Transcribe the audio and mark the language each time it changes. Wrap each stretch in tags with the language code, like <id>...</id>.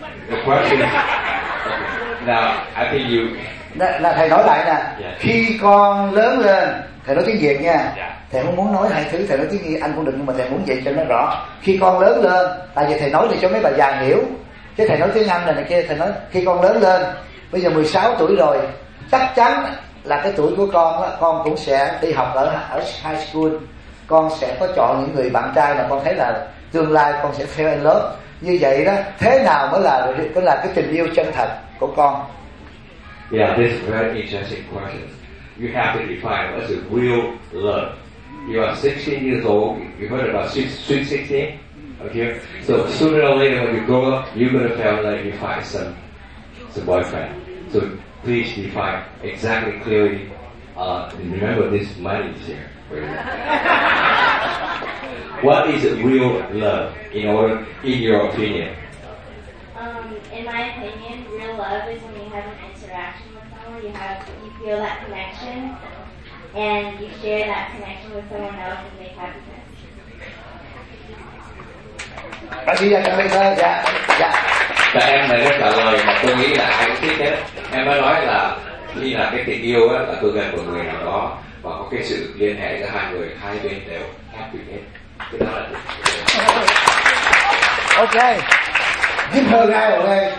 <en>The question is, okay. Now, I think you...</en> <vi>Là thầy nói lại nè. Yeah. Khi con lớn lên, thầy nói tiếng Việt nha. Yeah. Thầy không muốn nói hai thứ, thầy nói tiếng Anh cũng được, nhưng mà thầy muốn dạy cho nó rõ. Khi con lớn lên, tại vì thầy nói thì cho mấy bà già hiểu. Chứ thầy nói tiếng Anh này kia, thầy nói khi con lớn lên, bây giờ 16 tuổi rồi, chắc chắn là cái tuổi của con đó, con cũng sẽ đi học ở high school. Con sẽ có chọn những người bạn trai mà con thấy là tương lai con sẽ fell in love. Như vậy đó, thế nào mới là cái tình yêu chân thật của con?</vi> <en>Yeah, this is a very interesting question. You have to define what's a real love. You are 16 years old. You heard about sweet 16? Okay. So sooner or later, when you grow up, you're going to feel like you find some boyfriend. So please define exactly clearly. And remember, this money is here. What is a real love, in your opinion? In my opinion, real love is when you have an interaction with someone, you feel that connection, and you share that connection with someone else, and make happiness.</en> <vi>Bác sĩ Gia cảm ơn thầy. Dạ, dạ. Các em này rất là lời mà tôi nghĩ là ai cũng thích hết. Em mới nói là khi là cái tình yêu á, là tôi gần một người nào đó và có cái sự liên hệ giữa hai người, hai bên đều happy hết. Cái đó là</vi> <en>tình yêu. Okay. Give her guy, okay.</en>